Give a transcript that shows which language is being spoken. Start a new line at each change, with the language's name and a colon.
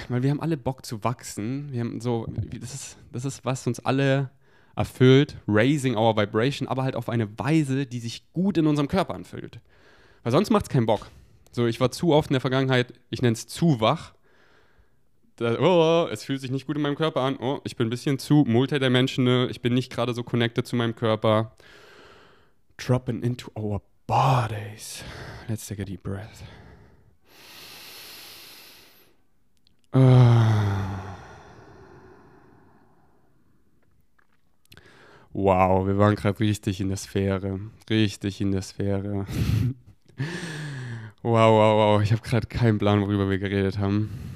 German: Weil wir haben alle Bock zu wachsen. Wir haben so, das ist was uns alle erfüllt,
English: raising our vibration,
German: aber halt auf eine Weise, die sich gut in unserem Körper anfühlt. Weil sonst macht es keinen Bock. So, ich war zu oft in der Vergangenheit, ich nenne es zu wach. Es fühlt sich nicht gut in meinem Körper an. Oh, ich bin ein bisschen zu multidimensional. Ich bin nicht gerade so connected zu meinem Körper.
English: Dropping into our bodies. Let's take a deep breath.
German: Wow, wir waren gerade richtig in der Sphäre. Richtig in der Sphäre. Wow, wow, wow. Ich habe gerade keinen Plan, worüber wir geredet haben.